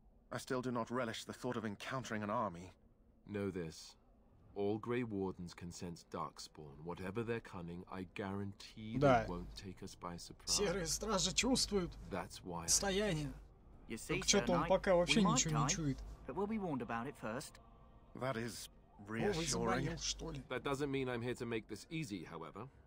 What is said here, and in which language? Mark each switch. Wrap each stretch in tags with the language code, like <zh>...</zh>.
<en>I still do not relish the thought of encountering an army. Know this. All Grey Wardens can sense Darkspawn. Whatever their cunning, I guarantee they won't take us by surprise.</en> <ru>Серые стражи чувствуют.</ru> <en>That's why.</en> <ru>Состояние. Так что-то он пока вообще ничего не чует.</ru> <en>But we'll be warned about it first. That is reassuring. That doesn't mean I'm here to make this easy, however.</en>